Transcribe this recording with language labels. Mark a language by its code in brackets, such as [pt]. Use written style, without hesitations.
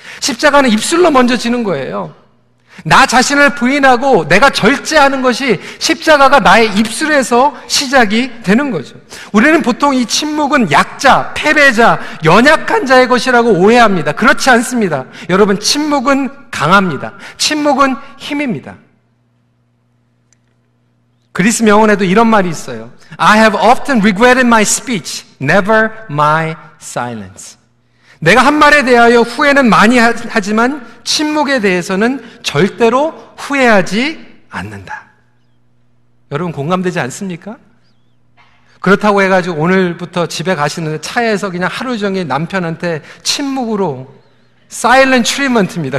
[ko] 십자가는 입술로 먼저 지는 거예요. 나 자신을 부인하고 내가 절제하는 것이 십자가가 나의 입술에서 시작이 되는 거죠. 우리는 보통 이 침묵은 약자, 패배자, 연약한 자의 것이라고 오해합니다. 그렇지 않습니다. 여러분, 침묵은 강합니다. 침묵은 힘입니다. 그리스 명언에도 이런 말이 있어요. [en] I have often regretted my speech, never my silence. [ko] 내가 한 말에 대하여 후회는 많이 하지만 침묵에 대해서는 절대로 후회하지 않는다. 여러분, 공감되지 않습니까? 그렇다고 해가지고 오늘부터 집에 가시는데 차에서 그냥 하루 종일 남편한테 침묵으로 silent treatment입니다.